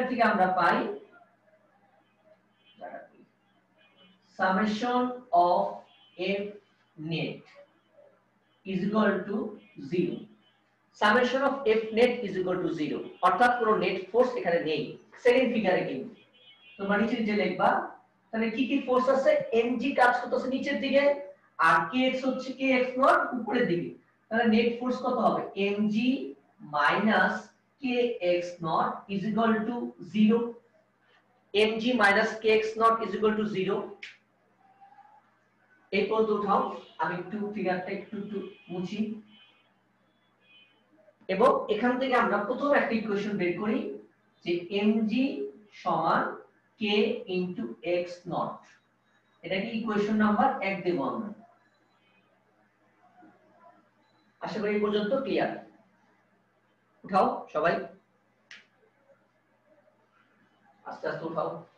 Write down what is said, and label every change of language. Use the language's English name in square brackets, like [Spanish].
[Bangla] আমরা পাই [English] summation of f net is equal to zero, [Bangla] summation of f net is equal to zero, অর্থাৎ কোনো net force এখানে নেই second ফিগারে। কিন্তু তোমরা নিচে নিচে লিখবা, তাহলে কি কি ফোর্স আছে, mg কাজ করতেছে নিচের দিকে আর kx হচ্ছে kx নট উপরের দিকে, তাহলে নেট ফোর্স কত হবে, [English] mg minus k kx naught is equal to 0. mg minus kx naught is equal to 0. [Bangla] এরপর তো উঠাও আমি একটু ফিগারটা একটু একটু মুছি এবং এখান থেকে আমরা প্রথম একটা ইকুয়েশন বের করি যে mg সমান k ইনটু x নট এটা কি ইকুয়েশন নাম্বার 1 দেব আমরা আশা করি এই পর্যন্ত ক্লিয়ার উঠাও সবাই আস্তে আস্তে উঠাও